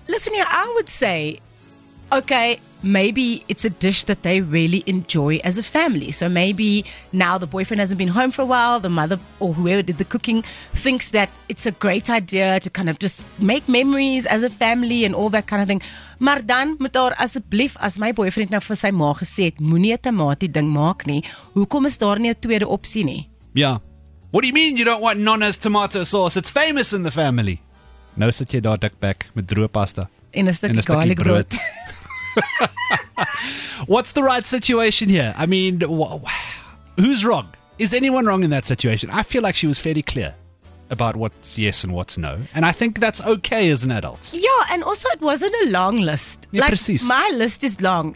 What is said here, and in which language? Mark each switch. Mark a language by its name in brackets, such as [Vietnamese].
[English] Listen here, I would say, okay, maybe it's a dish that they really enjoy as a family. So maybe now the boyfriend hasn't been home for a while, the mother or whoever did the cooking thinks that it's a great idea to kind of just make memories as a family and all that kind of thing. [Afrikaans] Maar dan moet daar asseblief, as my boyfriend nou vir sy ma gesê het, moenie 'n tamatie ding maak nie. Hoekom is daar nie 'n tweede opsie nie? Ja. [English] What do you mean you don't want Nonna's tomato sauce? It's famous in the family. [Afrikaans] Nou sit jy daar dikbek met droë pasta. En 'n stukkie garlic brood. [English] What's the right situation here? I mean, who's wrong? Is anyone wrong in that situation? I feel like she was fairly clear. about what's yes and what's no. And I think that's okay as an adult. Yeah, and also it wasn't a long list. Yeah, like, precies. My list is long.